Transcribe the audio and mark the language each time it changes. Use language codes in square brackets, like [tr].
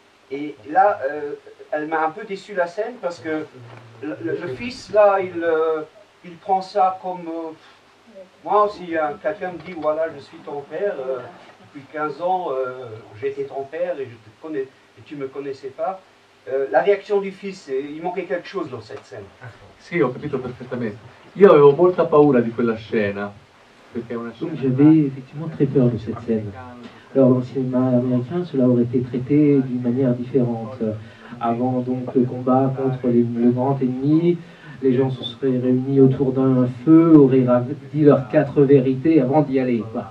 [fr] Et là, elle m'a un peu déçu la scène parce que le fils, là, il prend ça comme... moi aussi, quelqu'un me dit, voilà, je suis ton père, depuis 15 ans, j'étais ton père et je te connais, et tu ne me connaissais pas. La réaction du fils, il manquait quelque chose dans cette scène. [it] Sì, ho capito perfettamente. Io avevo molta paura di quella scena. [fr] Donc j'avais effectivement très peur de cette scène. Alors dans le cinéma américain, cela aurait été traité d'une manière différente. Avant donc le combat contre le grand ennemi, les gens se seraient réunis autour d'un feu, auraient dit leurs quatre vérités avant d'y aller.